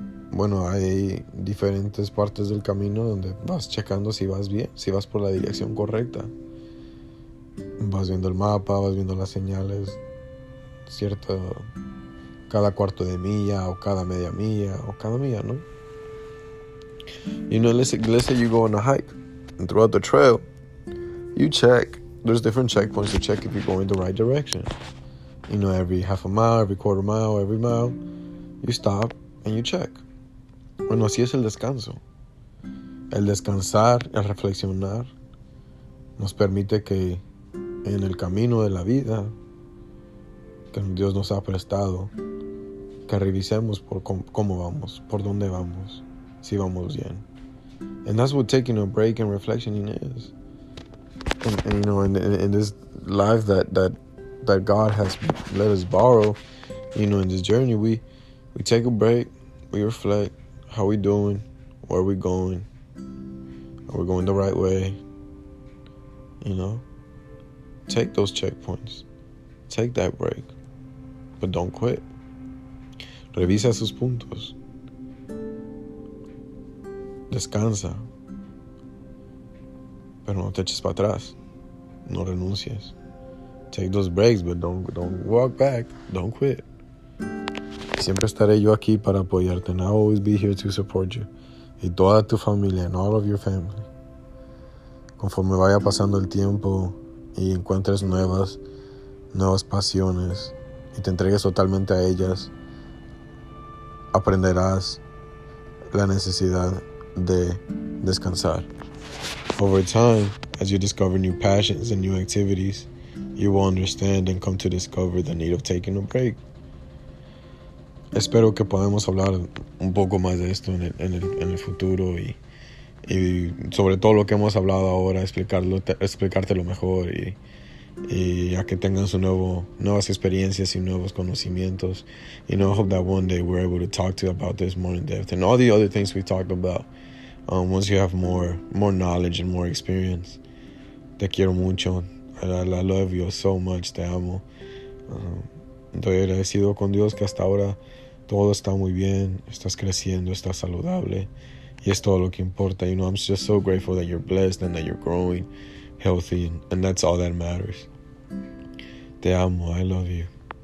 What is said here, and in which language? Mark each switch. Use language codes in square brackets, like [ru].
[es] Bueno, hay diferentes partes del camino donde vas checando si vas bien, si vas por la dirección correcta. Vas viendo el mapa, vas viendo las señales, cierto, cada cuarto de milla o cada media milla o cada milla, ¿no? [en] You know, let's say you go on a hike and throughout the trail you check. There's different checkpoints to check if you're going the right direction. You know, every half a mile, every quarter mile, every mile, you stop and you check. [es] Bueno, así es el descanso. El descansar, el reflexionar, nos permite que en el camino de la vida que Dios nos ha prestado, que revisemos por cómo vamos, por dónde vamos, si vamos bien. [en] And that's what taking a break and reflectioning is. And you know, in this life that God has let us borrow, you know, in this journey, we take a break, we reflect, how we doing, where we going, are we going the right way, you know, take those checkpoints, take that break, but don't quit. [es] Revisa sus puntos. Descansa. Pero no te eches para atrás. No renuncies. [en] Take those breaks, but don't walk back. Don't quit. [es] Siempre estaré yo aquí para apoyarte. [en] And I'll always be here to support you. [es] Y toda tu familia, [en] and all of your family. [es] Conforme vaya pasando el tiempo y encuentres nuevas pasiones y te entregues totalmente a ellas, aprenderás la necesidad de descansar. [en] Over time, as you discover new passions and new activities, you will understand and come to discover the need of taking a break. [es] Espero que podamos hablar un poco más de esto en el futuro y sobre todo lo que hemos hablado ahora, explicártelo mejor y a que tengan su nuevas experiencias y nuevos conocimientos. [en] You know, I hope that one day we're able to talk to you about this more in depth and all the other things we've talked about. Once you have more knowledge and more experience. [es] Te quiero mucho. [en] I love you so much. [es] Te amo. Estoy agradecido con Dios que hasta ahora todo está muy bien. Estás creciendo. Estás saludable. Y es todo lo que importa. [en] You know, I'm just so grateful that you're blessed and that you're growing healthy. And that's all that matters. [es] Te amo. [en] I love you.